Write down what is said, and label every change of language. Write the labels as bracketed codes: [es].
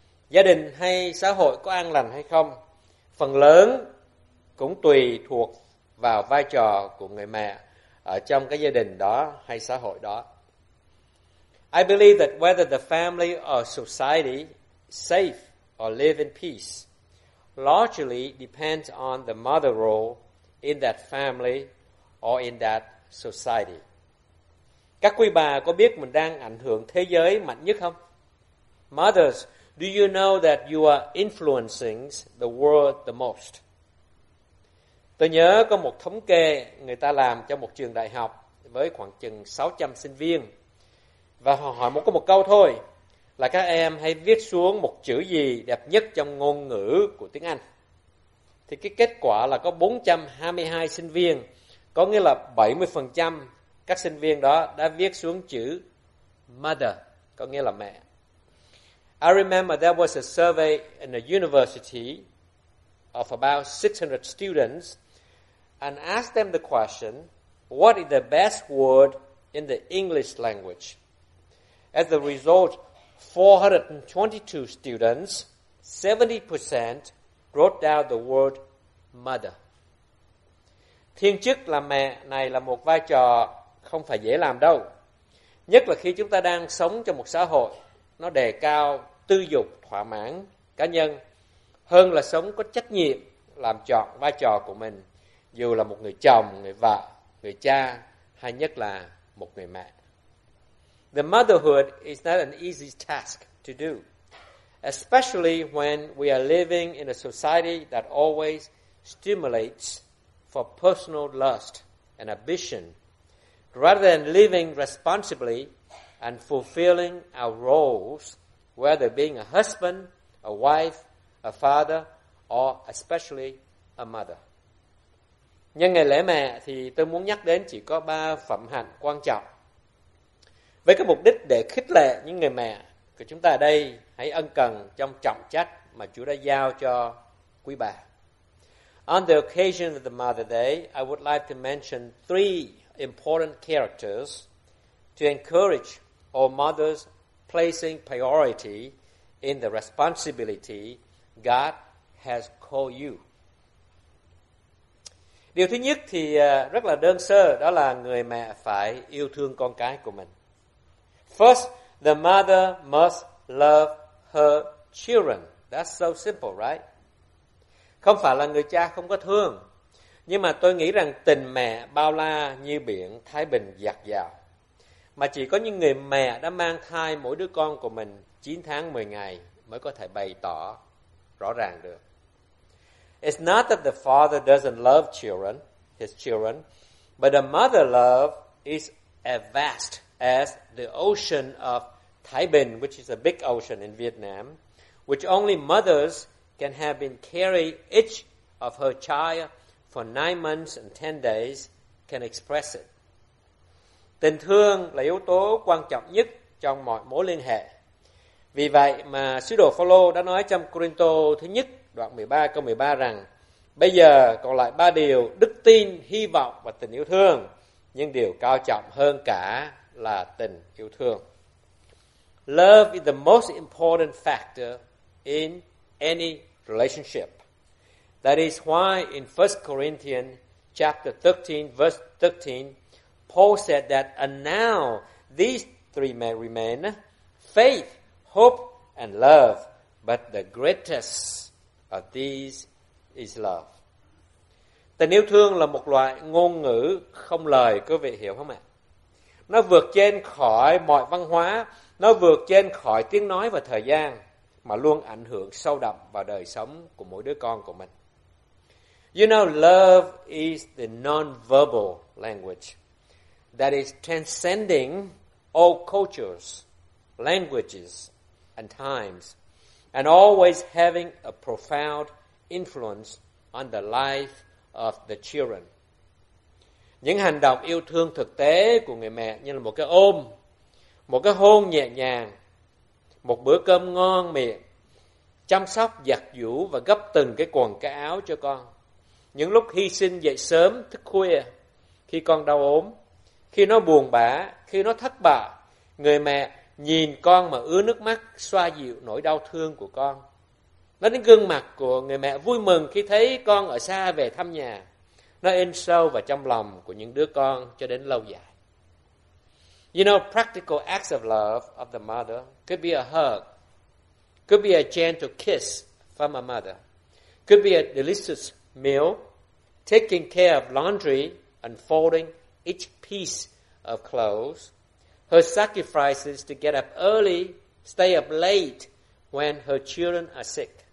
[vi] Gia đình hay xã hội có an lành hay không, phần lớn cũng tùy thuộc vào vai trò của người mẹ ở trong cái gia đình đó hay xã hội đó. [en] I believe that whether the family or society safe or live in peace largely depends on the mother role in that family or in that society. [vi] Các quý bà có biết mình đang ảnh hưởng thế giới mạnh nhất không? [en] Mothers, do you know that you are influencing the world the most? [vi] Tôi nhớ có một thống kê người ta làm cho một trường đại học với khoảng chừng 600 sinh viên. Và họ hỏi một có một câu thôi, là các em hãy viết xuống một chữ gì đẹp nhất trong ngôn ngữ của tiếng Anh. Thì cái kết quả là có 422 sinh viên, có nghĩa là 70% các sinh viên đó đã viết xuống chữ mother, có nghĩa là mẹ. [en] I remember there was a survey in a university of about 600 students and asked them the question, what is the best word in the English language? As a result, 422 students, 70% wrote down the word mother. [vi] Thiên chức là mẹ này là một vai trò không phải dễ làm đâu. Nhất là khi chúng ta đang sống trong một xã hội nó đề cao tư dục thỏa mãn cá nhân hơn là sống có trách nhiệm làm trọn vai trò của mình, dù là một người chồng, người vợ, người cha hay nhất là một người mẹ. [en] The motherhood is not an easy task to do, especially when we are living in a society that always stimulates for personal lust and ambition, rather than living responsibly and fulfilling our roles, whether being a husband, a wife, a father, or especially a mother. [vi] Nhân ngày lễ mẹ thì tôi muốn nhắc đến chỉ có 3 phẩm hạnh quan trọng. Với cái mục đích để khích lệ những người mẹ của chúng ta ở đây, hãy ân cần trong trọng trách mà Chúa đã giao cho quý bà. [en] On the occasion of the Mother's Day, I would like to mention 3 important characters to encourage or mothers placing priority in the responsibility God has called you? [vi] Điều thứ nhất thì rất là đơn sơ, đó là người mẹ phải yêu thương con cái của mình. [en] First, the mother must love her children. That's so simple, right? [vi] Không phải là người cha không có thương, nhưng mà tôi nghĩ rằng tình mẹ bao la như biển Thái Bình dạt dào. Mà chỉ có những người mẹ đã mang thai mỗi đứa con của mình 9 tháng 10 ngày mới có thể bày tỏ rõ ràng được. [en] It's not that the father doesn't love children, his children, but the mother love is as vast as the ocean of Thái Bình, which is a big ocean in Vietnam, which only mothers can have been carrying each of her child for 9 months and 10 days can express it. [vi] Tình thương là yếu tố quan trọng nhất trong mọi mối liên hệ. Vì vậy mà sứ đồ Phaolô đã nói trong Côrintô thứ nhất đoạn 13 câu 13 rằng bây giờ còn lại 3 điều: đức tin, hy vọng và tình yêu thương, nhưng điều cao trọng hơn cả là tình yêu thương. [en] Love is the most important factor in any relationship. That is why in 1 Corinthians chapter 13 verse 13 Paul said that, and now these three may remain: faith, hope and love, but the greatest of these is love. [vi] Tình yêu thương là một loại ngôn ngữ không lời, quý vị hiểu không ạ? Nó vượt trên khỏi mọi văn hóa, nó vượt trên khỏi tiếng nói và thời gian, mà luôn ảnh hưởng sâu đậm vào đời sống của mỗi đứa con của mình. [en] You know, love is the non-verbal language that is transcending all cultures, languages, and times, and always having a profound influence on the life of the children. [vi] Những hành động yêu thương thực tế của người mẹ như là một cái ôm, một cái hôn nhẹ nhàng, một bữa cơm ngon miệng, chăm sóc, giặt giũ và gấp từng cái quần cái áo cho con, những lúc hy sinh dậy sớm thức khuya, khi con đau ốm, khi nó buồn bã, khi nó thất bại, người mẹ nhìn con mà ứa nước mắt, xoa dịu nỗi đau thương của con. Nó đến gương mặt của người mẹ vui mừng khi thấy con ở xa về thăm nhà. Nó in sâu vào trong lòng của những đứa con cho đến lâu dài. [en] You know, practical acts of love of the mother could be a hug, could be a gentle kiss from a mother, could be a delicious meal, taking care of laundry and folding each piece of clothes, her sacrifices to get up early, stay up late when her children are sick.